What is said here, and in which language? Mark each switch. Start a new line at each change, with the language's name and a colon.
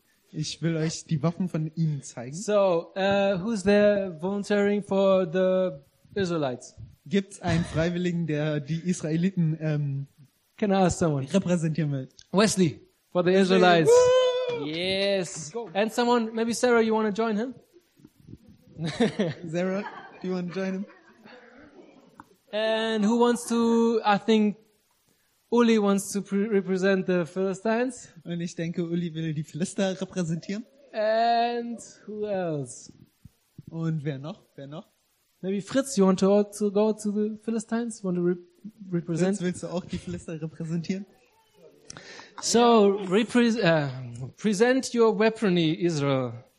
German: Ich will euch die Waffen von ihnen zeigen.
English: So, who's there volunteering for the Israelites?
German: Gibt's einen Freiwilligen, der die Israeliten
English: can I ask someone?
German: Repräsentieren will?
English: Wesley for the Israelites. Yes. And someone, maybe Sarah, you want to join him? Sarah, do you want to join him? And who wants to, I think Uli wants to represent the Philistines.
German: Und ich denke, Uli will die Philister repräsentieren.
English: And who else?
German: Und wer noch? Wer noch?
English: Maybe Fritz, you want to also go to the Philistines? Want to represent?
German: Fritz, willst du auch die Philister repräsentieren?
English: So, present your weaponry, Israel.